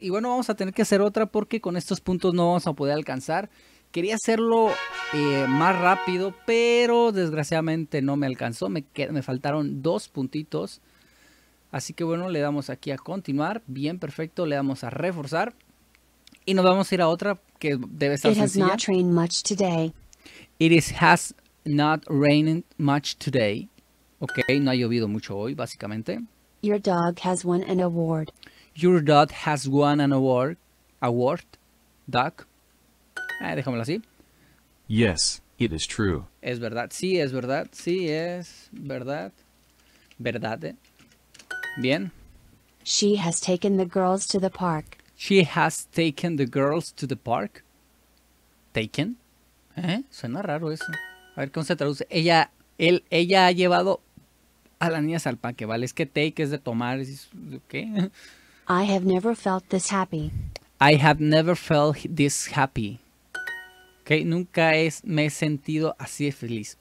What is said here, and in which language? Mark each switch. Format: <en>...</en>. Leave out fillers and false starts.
<es>Y bueno, vamos a tener que hacer otra porque con estos puntos no vamos a poder alcanzar. Quería hacerlo más rápido, pero desgraciadamente no me alcanzó. Me faltaron dos puntitos. Así que bueno, le damos aquí a continuar. Bien, perfecto. Le damos a reforzar. Y nos vamos a ir a otra que debe estar sencilla.</es> <en>It has not rained much today. Has not rained much today.</en> <es>Ok, no ha llovido mucho hoy, básicamente.</es> <en>Your dog has won an award. Your dog has won an award. Award? Dog?</en> <es>Déjamelo así.</es> <en>Yes, it is true.</en> <es>Es verdad. Sí, es verdad. Sí, es verdad. Verdad, ¿eh? Bien.</es> <en>She has taken the girls to the park. She has taken the girls to the park.</en> <es>Taken? ¿Eh? Suena raro eso. A ver cómo se traduce. Ella ha llevado a las niñas al parque, ¿vale? Es que take es de tomar. ¿Qué?</es> <en>I have never felt this happy. I have never felt this happy.</en> <es>Ok, nunca me he sentido así de feliz.</es>